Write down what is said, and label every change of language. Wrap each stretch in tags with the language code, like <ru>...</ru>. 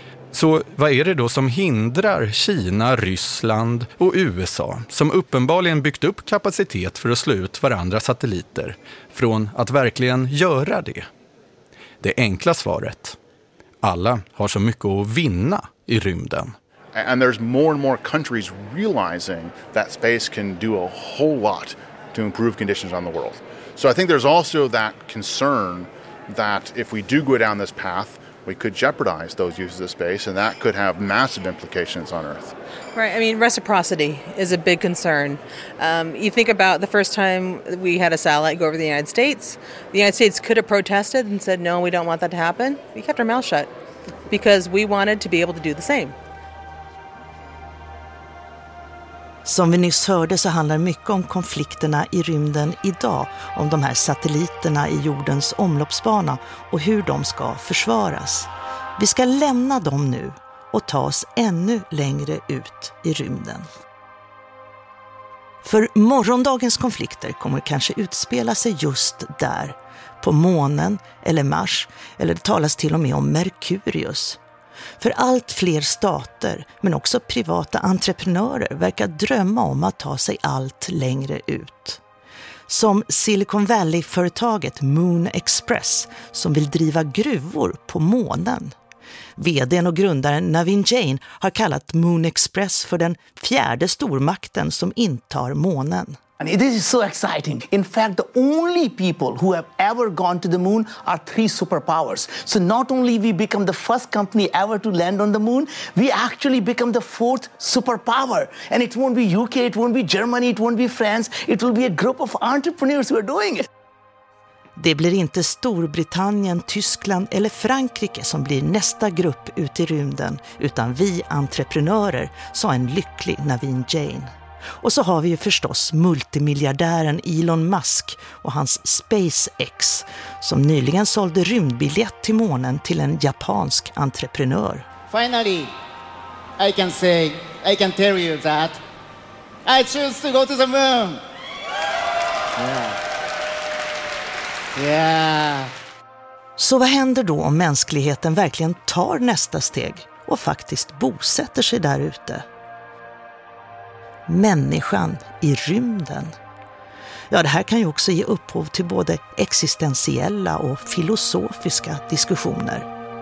<sv>Så vad är det då som hindrar Kina, Ryssland och USA, som uppenbarligen byggt upp kapacitet för att slå ut varandras satelliter, från att verkligen göra det? Det enkla svaret: alla har så mycket att vinna i rymden.</sv> <en>And there's more and more countries realizing that space can do a whole lot to improve conditions on the world. So I think there's also that concern that if we do go down this path, we could jeopardize those uses of space, and that could have massive implications on Earth. Right. I mean, reciprocity is a big concern. You think about the first time we had a satellite go over the United States. The United States could have protested and said, no, we don't want that to happen. We kept our mouth shut because we wanted to be able to do the same.</en> <sv>Som vi nyss hörde så handlar mycket om konflikterna i rymden idag, om de här satelliterna i jordens omloppsbana och hur de ska försvaras. Vi ska lämna dem nu och ta oss ännu längre ut i rymden. För morgondagens konflikter kommer kanske utspela sig just där, på månen eller Mars, eller det talas till och med om Merkurius. För allt fler stater, men också privata entreprenörer, verkar drömma om att ta sig allt längre ut. Som Silicon Valley-företaget Moon Express, som vill driva gruvor på månen. VD:n och grundaren Navin Jain har kallat Moon Express för den fjärde stormakten som intar månen.</sv> <en>And it is so exciting. In fact, the only people who have ever gone to the moon are three superpowers. So not only we become the first company ever to land on the moon, we actually become the fourth superpower. And it won't be UK, it won't be Germany, it won't be France. It will be a group of entrepreneurs who are doing it.</en> <sv>Det blir inte Storbritannien, Tyskland eller Frankrike som blir nästa grupp ut i rymden, utan vi entreprenörer, sa en lycklig Navin Jain. Och så har vi ju förstås multimiljardären Elon Musk och hans SpaceX, som nyligen sålde rymdbiljett till månen till en japansk entreprenör.</sv> <en>Finally, I can say, I can tell you that I choose to go to the moon. Yeah. Yeah.</en> <sv>Så vad händer då om mänskligheten verkligen tar nästa steg och faktiskt bosätter sig där ute? Människan i rymden. Ja, det här kan ju också ge upphov till både existentiella och filosofiska diskussioner.</sv>